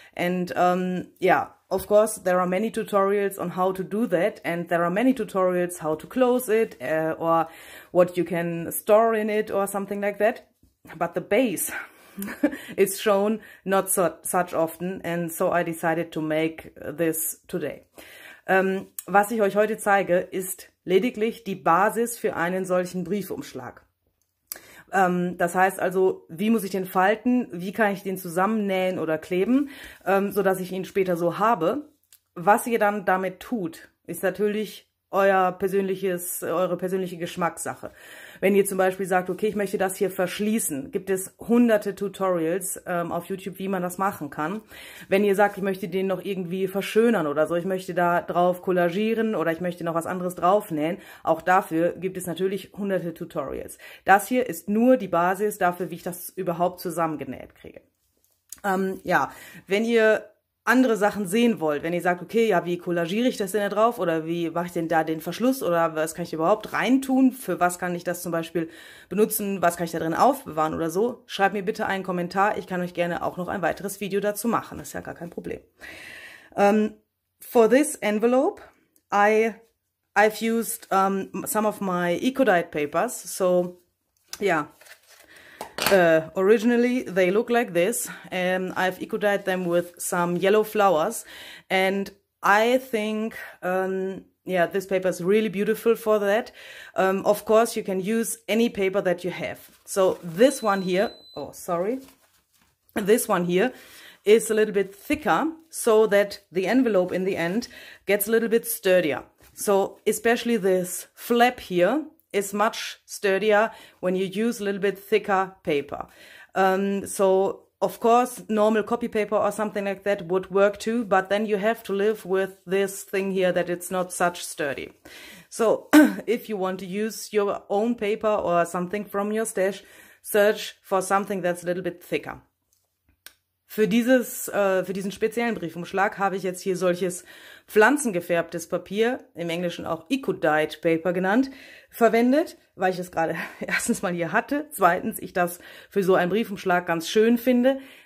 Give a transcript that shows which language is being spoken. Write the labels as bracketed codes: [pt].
[en] And yeah, of course, there are many tutorials on how to do that, and there are many tutorials how to close it, or what you can store in it, or something like that. But the base is shown not so such often, and so I decided to make this today. [de] Was ich euch heute zeige, ist lediglich die Basis für einen solchen Briefumschlag. Das heißt also, wie muss ich den falten, wie kann ich den zusammennähen oder kleben, sodass ich ihn später so habe. Was ihr dann damit tut, ist natürlich eure persönliche Geschmackssache. Wenn ihr zum Beispiel sagt, okay, ich möchte das hier verschließen, gibt es hunderte Tutorials auf YouTube, wie man das machen kann. Wenn ihr sagt, ich möchte den noch irgendwie verschönern oder so, ich möchte da drauf kollagieren oder ich möchte noch was anderes drauf nähen, auch dafür gibt es natürlich hunderte Tutorials. Das hier ist nur die Basis dafür, wie ich das überhaupt zusammengenäht kriege. Ja, wenn ihr andere Sachen sehen wollt, wenn ihr sagt, okay, ja, wie kollagiere ich das denn da drauf oder wie mache ich denn da den Verschluss oder was kann ich überhaupt reintun, für was kann ich das zum Beispiel benutzen, was kann ich da drin aufbewahren oder so, schreibt mir bitte einen Kommentar. Ich kann euch gerne auch noch ein weiteres Video dazu machen. Das ist ja gar kein Problem. [en] For this envelope, I've used some of my Ecodite papers. So, yeah. Originally, they look like this, and I've ecodyed them with some yellow flowers. And I think, yeah, this paper is really beautiful for that. Of course, you can use any paper that you have. So this one here, oh, sorry, This one here is a little bit thicker, so that the envelope in the end gets a little bit sturdier. So especially this flap here is much sturdier when you use a little bit thicker paper. So of course, normal copy paper or something like that would work too, but then you have to live with this thing here that it's not such sturdy. So if you want to use your own paper or something from your stash, search for something that's a little bit thicker. [de] Für diesen speziellen Briefumschlag habe ich jetzt hier solches pflanzengefärbtes Papier, im Englischen auch Eco-Dyed Paper genannt, verwendet, weil ich es gerade erstens mal hier hatte, zweitens ich das für so einen Briefumschlag ganz schön finde.